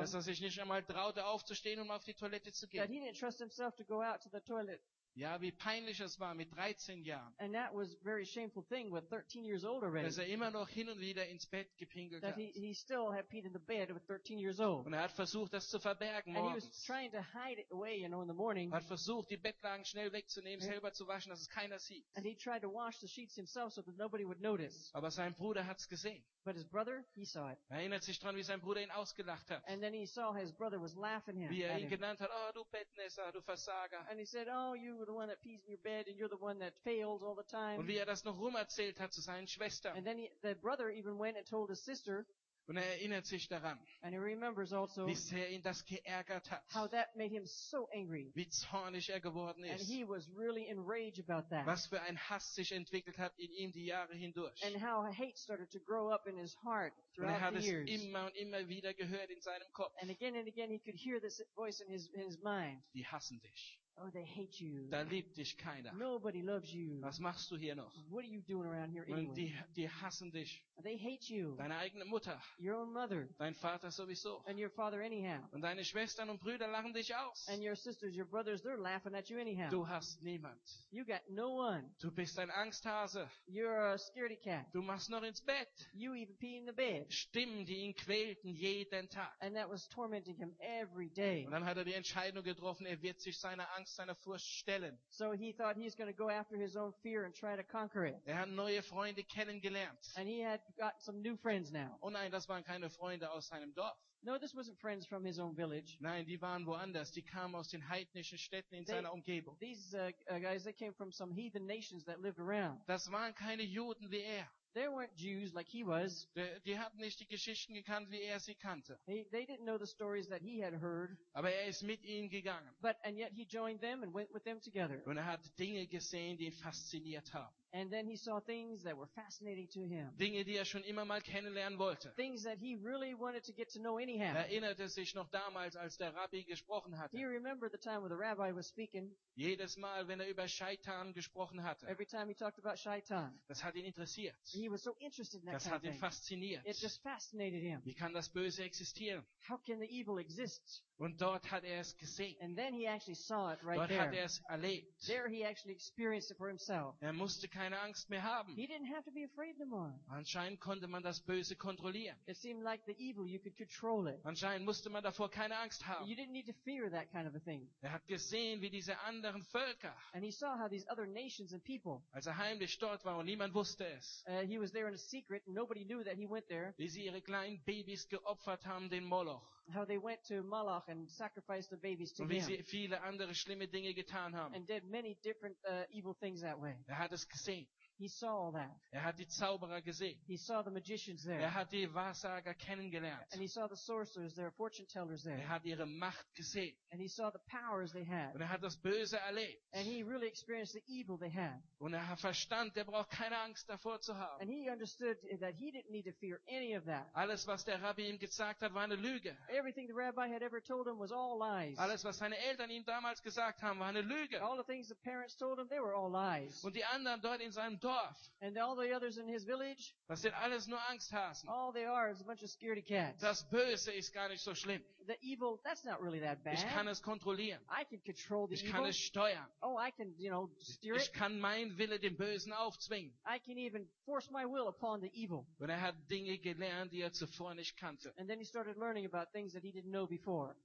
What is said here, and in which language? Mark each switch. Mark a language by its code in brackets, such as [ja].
[de] dass er sich nicht einmal traute, aufzustehen, um auf die Toilette zu gehen. [en] That he didn't trust himself to go out to the toilet. [de] Ja, wie peinlich es war mit 13 Jahren. [en] And that was a very shameful thing with 13 years old already. [de] Dass er immer noch hin und wieder ins Bett gepinkelt hat. [en] That he still had peed in the bed with 13 years old. [de] Und er hat versucht, das zu verbergen [en] and [de] morgens. [en] He was trying to hide it away, you know, in the morning. [de] Hat versucht, die Bettlagen schnell wegzunehmen, selber zu waschen, dass es keiner sieht. [en] And he tried to wash the sheets himself so that nobody would notice. [de] Aber sein Bruder hat's gesehen. [en] But his brother, he saw it. [de] Er erinnert sich dran, wie sein Bruder ihn ausgelacht hat. [en] And then he saw his brother was laughing him. [de] Wie er ihn genannt hat, oh, du Bettnässer, du Versager. [en] And he said, oh, you were the one that pees in your bed and you're the one that fails all the time. [de] Und wie er das noch rumerzählt hat zu seinen Schwestern. [en] And then the brother even went and told his sister. [de] Und er erinnert sich daran. [en] And he remembers also, [de] wie sehr ihn das geärgert hat. [en] How that made him so angry. [de] Wie zornig er geworden ist. [en] And he was really enraged about that. [de] Was für ein Hass sich entwickelt hat in ihm die Jahre hindurch. [en] And how hate started to grow up in his heart throughout the years. [de] Und er hat es immer und immer wieder gehört in seinem Kopf. [en] And again he could hear this voice in his mind. [de] Die hassen dich. [en] Oh, they hate you. [de] Da liebt dich keiner. [en] Nobody loves you. [de] Was machst du hier noch? [en] What are you doing around here anyway? [de] Die hassen dich. [en] They hate you. [de] Deine eigene Mutter. [en] Your own mother. [de] Dein Vater sowieso. [en] And your father anyhow. [de] Und deine Schwestern und Brüder lachen dich aus. [en] And your sisters, your brothers, they're laughing at you anyhow. [de] Du hast niemand. [en] You got no one. [de] Du bist ein Angsthase. [en] You're a scaredy cat. [de] Du machst noch ins Bett. [en] You even pee in the bed. [de] Stimmen, die ihn quälten jeden Tag. [en] And that was tormenting him every day. [de] Und dann hat er die Entscheidung getroffen, er wird sich seiner Angst seiner Furcht stellen. [en] So he thought he's going to go after his own fear and try to conquer it. [de] Er hat neue Freunde kennengelernt. [en] And he had gotten some new friends now. [de] Oh nein, das waren keine Freunde aus seinem Dorf. [en] No, this wasn't friends from his own village. [de] Nein, die waren woanders. Die kamen aus den heidnischen Städten in seiner Umgebung. [en] These guys, they came from some heathen nations that lived around. [de] Das waren keine Juden wie er. [en] They weren't Jews like he was. [de] Die hatten nicht die Geschichten gekannt, wie er sie kannte. [en] They didn't know the stories that he had heard. [de] Aber er ist mit ihnen gegangen. [en] But and yet he joined them and went with them together. [de] Und er hat Dinge gesehen, die ihn fasziniert haben. [en] And then he saw things that were fascinating to him. [de] Dinge, die er schon immer mal kennenlernen wollte. [en] Things that he really wanted to get to know anyhow. [de] Erinnerte sich noch damals, als der Rabbi gesprochen hatte. [en] He remembered the time when the rabbi was speaking. [de] Jedes Mal, wenn er über Shaitan gesprochen hatte. [en] Every time he talked about Shaitan. [de] Das hat ihn interessiert. [en] He was so interested in that kind of thing. [de] Das hat ihn fasziniert. [en] It just fascinated him. [de] Wie kann das Böse existieren? [en] How can the evil exist? [de] Und dort hat er es gesehen. [en] And then he actually saw it right [de] dort [en] there. [de] Dort hat er es erlebt. [en] There he actually experienced it for himself. [de] Er musste keine Angst mehr haben. [en] He didn't have to be afraid no more. [de] Anscheinend konnte man das Böse kontrollieren. [en] It seemed like the evil, you could control it. [de] Anscheinend musste man davor keine Angst haben. [en] You didn't need to fear that kind of a thing. [de] Er hat gesehen, wie diese anderen Völker, [en] and he saw how these other nations and people, [de] als er heimlich dort war und niemand wusste es, [en] he was there in a secret, nobody knew that he went there, [de] wie sie ihre kleinen Babys geopfert haben, den Moloch. [en] How they went to Moloch and sacrificed the babies to him. [de] Und wie sie viele andere schlimme Dinge getan haben. [en] And did many different evil things that way. [de] Er hat es gesehen. [en] He saw all that. [de] Er hat die Zauberer gesehen. [en] He saw the magicians there. [de] Er hat die Wahrsager kennengelernt. [en] And he saw the sorcerers there, fortune tellers there. [de] Er hat ihre Macht gesehen. [en] And he saw the powers they had. [de] Und er hat das Böse erlebt. [en] And he really experienced the evil they had. [de] Und er verstand, er braucht keine Angst davor zu haben. [en] And he understood that he didn't need to fear any of that. [de] Alles, was der Rabbi ihm gesagt hat, war eine Lüge. [en] Everything the rabbi had ever told him was all lies. [de] Alles, was seine Eltern ihm damals gesagt haben, war eine Lüge. [en] All the things the parents told him, they were all lies. [de] Und die anderen dort in seinem Dorf. [en] And all the others in his village. [de] Das sind alles nur Angsthasen. [en] All they are is a bunch of scaredy cats. [de] Das Böse ist gar nicht so schlimm. [en] The evil, that's not really that bad. [de] Ich kann es kontrollieren. [en] I can control the [de] evil. Ich kann [en] evil. [de] Es steuern. [en] Oh, I can, you know, steer [de] ich Ich kann mein Wille dem Bösen aufzwingen. [en] I can even force my will upon the evil. [de] Und er hat Dinge gelernt, die er zuvor nicht kannte. [en] And then he started learning about things that he didn't know before.